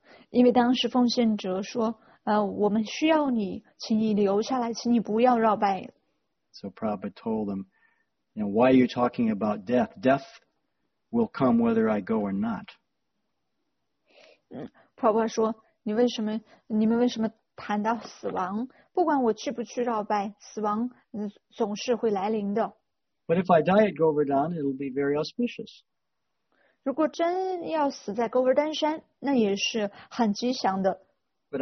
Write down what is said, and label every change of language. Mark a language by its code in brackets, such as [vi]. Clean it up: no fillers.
[zh] 因为当时奉献者说，我们需要你，请你留下来，请你不要绕拜。 [en] So Prabhupada told them, you know, why are you talking about death? Death will come whether I go or not. [zh] Prabhupada说，你为什么谈到死亡？不管我去不去绕拜，死亡总是会来临的。 [en] But if I die at Govardhan, it'll be very auspicious. [zh] 如果真要死在戈尔丹山，那也是很吉祥的。 [en] But